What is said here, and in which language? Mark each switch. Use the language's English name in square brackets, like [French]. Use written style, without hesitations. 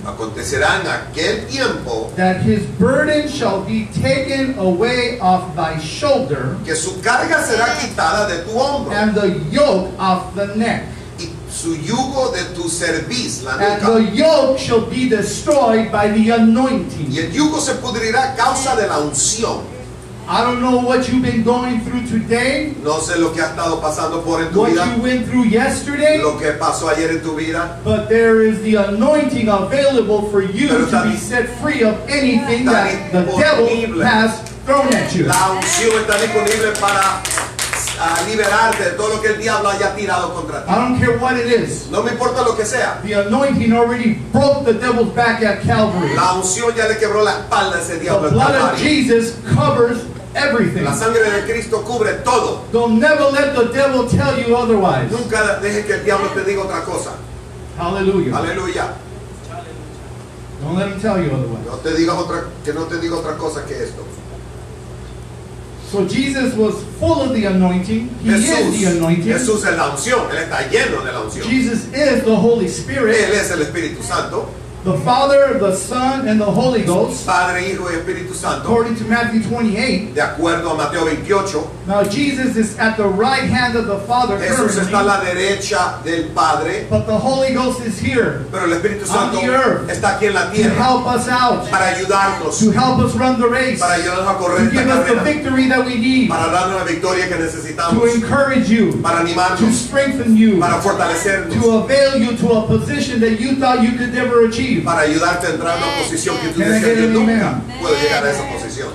[Spanish] acontecerá en aquel tiempo, [English] that his burden shall be taken away off thy shoulder, [Spanish] que su carga será quitada de tu hombro, [English] and the yoke off the neck, [Spanish] y su yugo de tu cerviz, la nuca, [English] and the yoke shall be destroyed by the anointing. [Spanish] Y el yugo se pudrirá a causa de la unción. [English] I don't know what you've been going through today. [Spanish] No sé lo que has estado pasando por en tu [English] what [Spanish] vida. [English] What you went through yesterday. [Spanish] Lo que pasó ayer en tu vida. [English] But there is the anointing available for you to be set free of anything that the devil has thrown at you. [Spanish] La unción está disponible para liberarte de todo lo que el diablo haya tirado contra ti. [English] I don't care what it is. [Spanish] No me importa lo que sea. [English] The anointing already broke the devil's back at Calvary. [Spanish] La unción ya le quebró la espalda a ese diablo. [English] The blood of Jesus covers everything. [Spanish] La sangre de Cristo cubre todo. [English] Don't never let the devil tell you otherwise. [Spanish] Nunca deje que el diablo te diga otra cosa. [English] Hallelujah. [Spanish] Aleluya. [English] Don't let him tell you otherwise. [Spanish] No te digas otra, que no te diga otra cosa que esto. [English] So Jesus was full of the anointing. He [Spanish] Jesús, [English] is the anointing. [Spanish] Jesús es la unción. Él está lleno de la unción. [English] Jesus is the Holy Spirit. [Spanish] Él es el Espíritu Santo. [English] The Father, the Son, and the Holy Ghost. [Spanish] Padre, Hijo y Espíritu Santo. [English] According to Matthew 28. [Spanish] De acuerdo a Mateo 28. [English] Now Jesus is at the right hand of the Father. [Spanish] Jesús está a la derecha del Padre. [English] But the Holy Ghost is here. [Spanish] Pero el Espíritu Santo [English] on the earth. [Spanish] Está aquí en la tierra. [English] To help us out. [Spanish] Para ayudarnos. [English] To help us run the race. [Spanish] Para ayudarnos a correr esta carrera. [English] To give us the victory that we need. [Spanish] Para darnos la victoria que necesitamos. [English] To encourage you. [Spanish] Para animarnos. [English] To strengthen you. [Spanish] Para fortalecernos. [English] To avail you to a position that you thought you could never achieve. [Spanish] Para ayudarte a entrar en la posición que tú deseas, que nunca puedo llegar a esa posición.